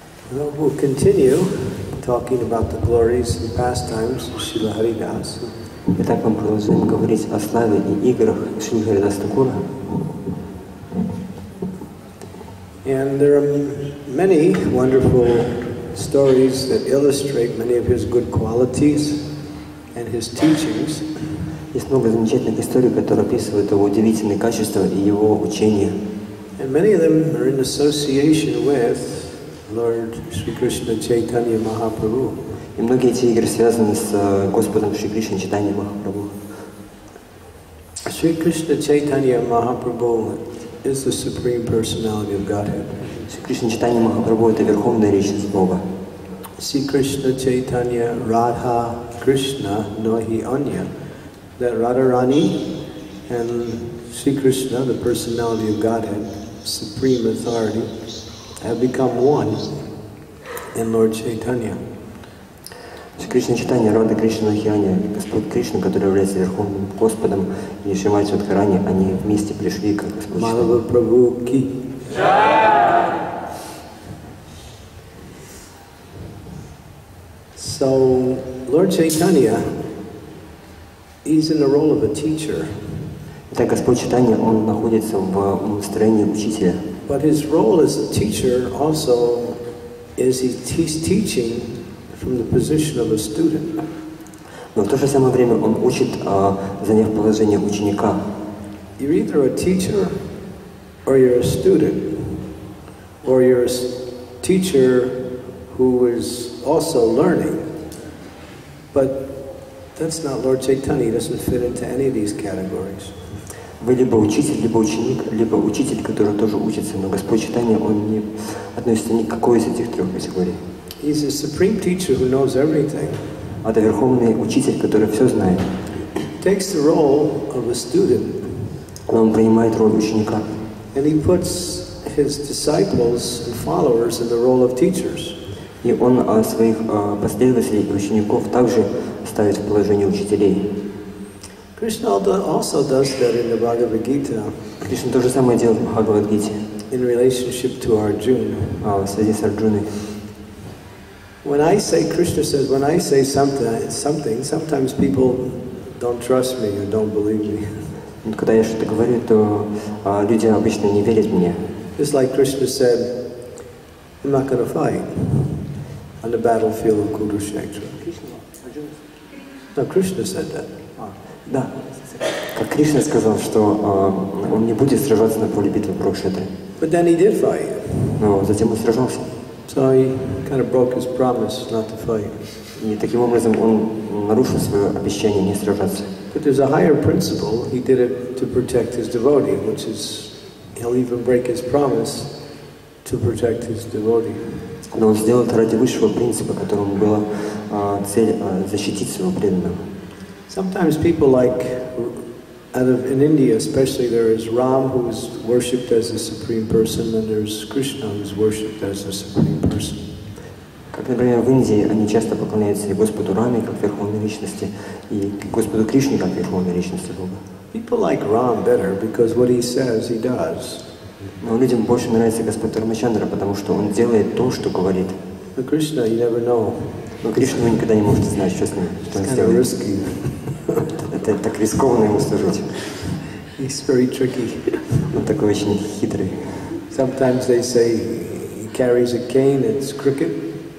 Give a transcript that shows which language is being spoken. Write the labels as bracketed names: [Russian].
[English] Well, we'll continue talking about the glories and pastimes of Srila Haridas. [Russian] Итак, мы продолжаем говорить о славе и играх Шри Харидас Такура. [English] And there are many wonderful stories that illustrate many of his good qualities and his teachings. [Russian] Есть много замечательных историй, которые описывают его удивительные качества и его учения. [English] And many of them are in association with Lord Sri Krishna Chaitanya Mahaprabhu. [Russian] И многие эти игры связаны с Господом Шри Кришна Чайтанья Махапрабху. [English] Sri Krishna Chaitanya Mahaprabhu is the Supreme Personality of Godhead. [Russian] Sri Krishna Chaitanya Mahaprabhu – это верховная личность Бога. [Bangla] Sri Krishna Chaitanya Radha Krishna Nohi Anya. [English] That Radharani and Sri Krishna, the Personality of Godhead, Supreme Authority, have become one in Lord Chaitanya. [Bangla] Sri Krishna Chaitanya Radha Krishna Nohi Anya, [Russian] Господь Кришна, который является верховным Господом, и Шримати Радхарани, они вместе пришли к Господу. Малава Прабху Ки. [English] So Lord Chaitanya, he's in the role of a teacher. [Russian] Итак, Господь Чайтанья, он находится в настроении учителя. [English] But his role as a teacher also is he's teaching from the position of a student. [Russian] Но в то же самое время он учит, заняв положение ученика. [English] You're either a teacher or you're a student, or you're a teacher who is also learning. But that's not Lord Chaitanya. He doesn't fit into any of these categories. [Russian] Вы либо учитель, либо ученик, либо учитель, который тоже учится. Но Господь Чайтанья, он не относится ни к какой из этих трех категорий. [English] He's a supreme teacher who knows everything. [Russian] Это верховный учитель, который все знает. [English] Takes the role of a student. [Russian] Он принимает роль ученика. [English] And he puts his disciples and followers in the role of teachers. [Russian] И он своих последователей и учеников также ставит в положение учителей. [English] Krishna also does that in the Bhagavad Gita. [Russian] Кришна тоже самое делает в Бхагавад Гите. [English] In relationship to Arjuna. [Russian] А в связи с Арджуной. [English] When I say, Krishna says, when I say something, sometimes people don't trust me or don't believe me. [Russian] Когда я что-то говорю, то люди обычно не верят мне. [English] Just like Krishna said, I'm not going to fight on the battlefield of Kurukshetra. No, Krishna said that. [Russian] Да. Как Кришна сказал, что он не будет сражаться на поле битвы Курукшетры. [English] But then he did fight. [Russian] Но затем он сражался. [English] So he kind of broke his promise not to fight. [Russian] И таким образом он нарушил свое обещание не сражаться. [English] But there's a higher principle. He did it to protect his devotee, which is he'll even break his promise to protect his devotee. [Russian] Но он сделал это ради высшего принципа, которому была цель защитить своего преданного. [English] Sometimes people like, out of in India especially, there is Ram who is worshipped as the supreme person, and there is Krishna who is worshipped as the supreme person. [Russian] Как, например, в Индии они часто поклоняются Господу Раме как верховной личности и Господу Кришне как верховной личности Бога. [English] People like Ram better because what he says, he does. [Russian] Но людям больше нравится Господь Рамачандра, потому что он делает то, что говорит. Но Кришна, [English] you never know. [Russian] Но Кришна, вы никогда не можете знать, что с ним, что он сделает. Это так рискованно ему служить. [English] He's very tricky. [Russian] Он такой очень хитрый. [English] Sometimes they say he carries a cane, it's crooked.